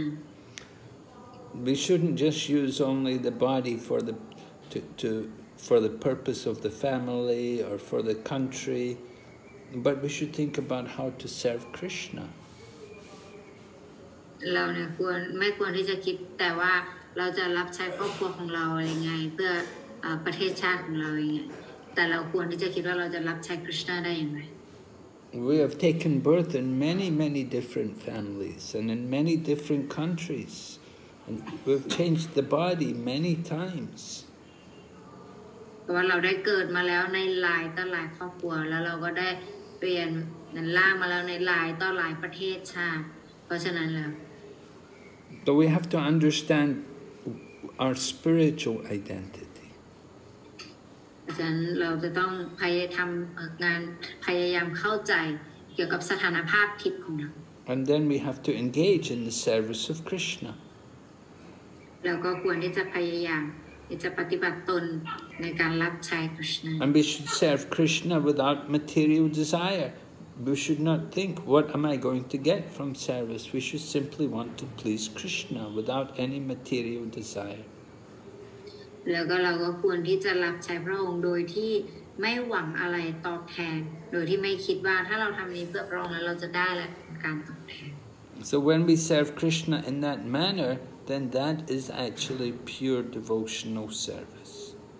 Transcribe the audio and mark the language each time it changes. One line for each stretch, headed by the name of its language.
English: We shouldn't just use only the body for the to for the purpose of the family or for the country but we should think about how to serve Krishna
Thai: เราเนี่ยควรไม่ควรที่จะคิดแต่ว่าเราจะรับใช้ครอบครัวของเราอะไรไงเพื่อ ประเทศชาติของเราอย่างเงี้ยแต่เราควรที่จะคิดว่าเราจะรับใช้คริสต์ได้อย่างไร
English: We have taken birth in many, many different families and in many different countries. And we've changed the body many times.
Thai: ว่าเราได้เกิดมาแล้วในหลายต่อหลายครอบครัวแล้วเราก็ได้เปลี่ยนนั้นล่ามาแล้วในหลายต่อหลายประเทศชาติเพราะฉะนั้นแล้ว
English: So we have to understand our spiritual identity.
Thai: ฉะนั้นเราจะต้องพยายามทำงานพยายามเข้าใจเกี่ยวกับสถานภาพทิพย์ของเรา
English: And then we have to engage in the service of Krishna.
Thai: แล้วก็ควรที่จะพยายามจะปฏิบัติตนในการรับใช้ Krishna.
English: And we should serve Krishna without material desire. We should not think, what am I going to get from service? We should simply want to please Krishna without any material desire.
Thai: แล้วก็เราก็ควรที่จะรับใช้พระองค์โดยที่ไม่หวังอะไรตอบแทนโดยที่ไม่คิดว่าถ้าเราทำนี้เพื่อพระองค์แล้วเราจะได้อะไรการตอบแทน
English: So when we serve Krishna in that manner, then that is actually pure devotional service.